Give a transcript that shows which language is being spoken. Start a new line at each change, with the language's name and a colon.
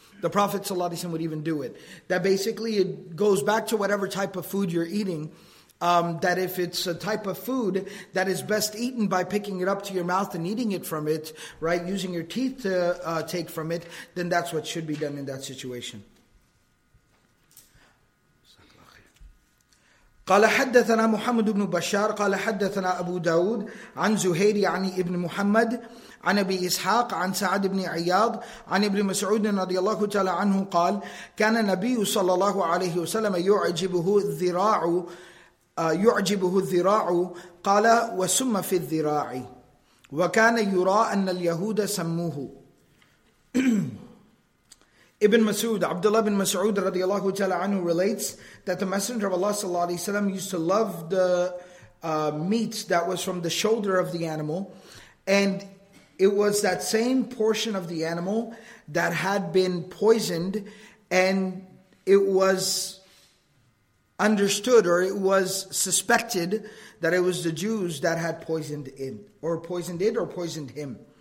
English: The Prophet ﷺ would even do it. That basically it goes back to whatever type of food you're eating. That if it's a type of food that is best eaten by picking it up to your mouth and eating it from it, right, using your teeth to take from it, then that's what should be done in that situation.
Arabic: قال حدثنا محمد بن بشار قال حدثنا أبو داود عن زهير يعني ابن محمد عن أبي إسحاق عن سعد بن عياض عن ابن مسعود رضي الله تعالى عنه قال كان النبي صلى الله عليه وسلم يعجبه الذراع يعجبه الذراع قال وسم في الذراع وكان يرى أن اليهود سموه.
English: Ibn Mas'ud, Abdullah ibn Mas'ud radiallahu ta'ala anhu relates that the Messenger of Allah sallallahu alayhi wa sallam used to love the meat that was from the shoulder of the animal, and it was that same portion of the animal that had been poisoned, and it was understood or it was suspected that it was the Jews that had poisoned him.